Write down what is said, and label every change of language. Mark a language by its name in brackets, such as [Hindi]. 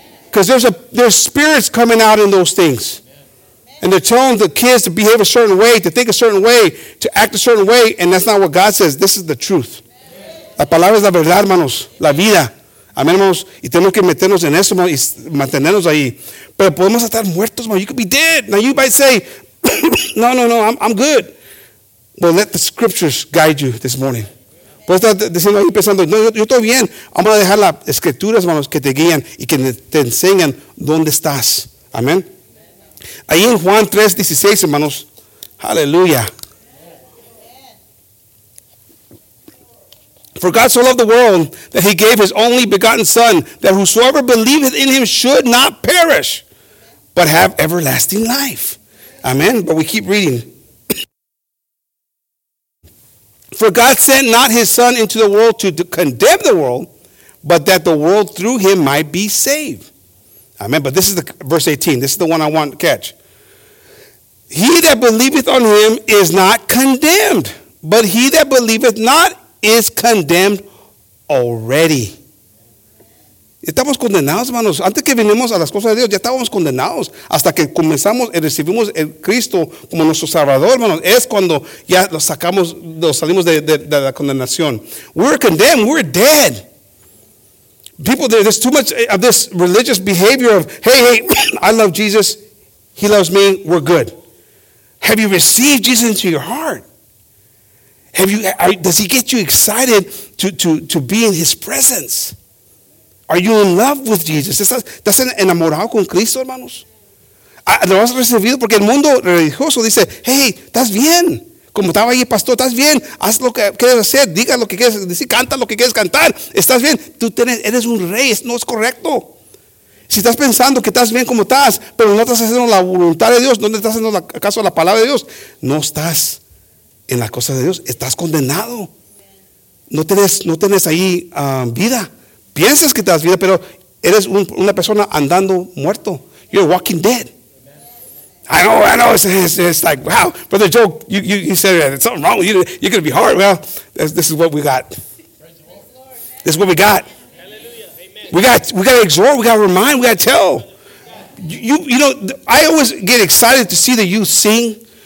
[English] Because there's spirits coming out in those things. And they're telling the kids to behave a certain way, to think a certain way, to act a certain way, and that's not what God says. This is the truth. [Spanish] La palabra es la verdad, hermanos. La vida. Amén, hermanos. Y tenemos que meternos en eso, hermanos, y mantenernos ahí. Pero podemos estar muertos, hermanos. [English] You could be dead. Now you might say, no, I'm good. Well, let the scriptures guide you this morning. [Spanish] Puedes estar diciendo ahí, pensando, no, yo estoy bien. Vamos a dejar las escrituras, hermanos, que te guían y que te enseñan dónde estás. Amén. Ahí en Juan 3:16, hermanos. Aleluya. [English] For God so loved the world that he gave his only begotten son, that whosoever believeth in him should not perish, but have everlasting life. Amen. But we keep reading. For God sent not his son into the world to condemn the world, but that the world through him might be saved. Amen. But this is the verse 18. This is the one I want to catch. He that believeth on him is not condemned, but he that believeth not is condemned already. [Spanish] Estamos condenados, hermanos. Antes que vinimos a las cosas de Dios, ya estábamos condenados. Hasta que comenzamos y recibimos el Cristo como nuestro Salvador, hermanos, es cuando ya salimos de la condenación. [English] We're condemned. We're dead. People, there's too much of this religious behavior of, hey, I love Jesus, he loves me, we're good. Have you received Jesus into your heart? Does he get you excited to be in his presence? Are you in love with Jesus? [Spanish] ¿Estás enamorado con Cristo, hermanos? ¿Lo has recibido? Porque el mundo religioso dice, hey, estás bien. Como estaba ahí, pastor, estás bien, haz lo que quieres hacer, diga lo que quieres decir, canta lo que quieres cantar, estás bien, tú eres un rey, no es correcto. Si estás pensando que estás bien como estás, pero no estás haciendo la voluntad de Dios, no estás haciendo caso a la palabra de Dios, no estás en las cosas de Dios, estás condenado. No tenés ahí vida. Piensas que estás vida, pero eres una persona andando muerto. [English] You're walking dead. I know, it's like, wow, Brother Joe, you said that something wrong with you, you're going to be hard. Well, this is what we got. This is what we got. Hallelujah. Amen. We got to exhort, we got to remind, we got to tell. You know, I always get excited to see the youth sing.